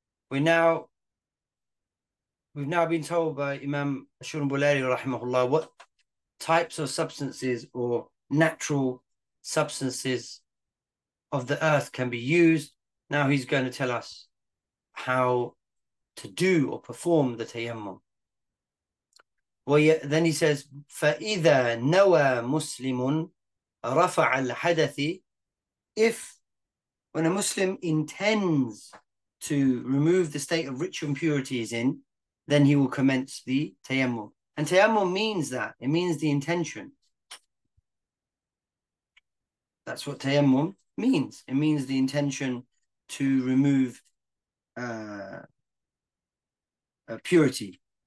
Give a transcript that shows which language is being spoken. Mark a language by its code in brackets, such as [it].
[en] We've now been told by Imam Ash-Shurbulari rahimahullah what types of substances or natural substances of the earth can be used. Now he's going to tell us how to do or perform the tayammum. Then he says, [ar] فَإِذَا نَوَى مُسْلِمٌ رَفَعَ الْحَدَثِ. [en] If, when a Muslim intends to remove the state of ritual impurity he's in, then he will commence the tayammum. And tayammum means that. It means the intention. That's what tayammum means. It means the intention to remove purity.